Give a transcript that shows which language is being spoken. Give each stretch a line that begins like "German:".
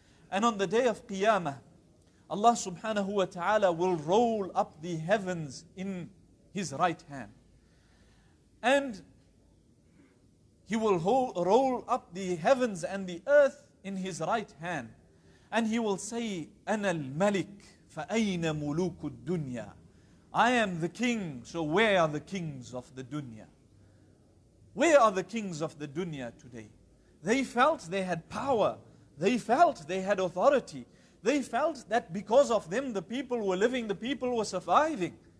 English: And on the day of Qiyamah, Allah subhanahu wa ta'ala will roll up the heavens in His right hand. And He will roll up the heavens and the earth in His right hand. And He will say,
Arabic: أَنَا الْمَلِكُ فَأَيْنَ مُلُوكُ الدُّنْيَا.
English: I am the king, so where are the kings of the dunya? Where are the kings of the dunya today? They felt they had power. They felt they had authority. They felt that because of them, the people were living, the people were surviving.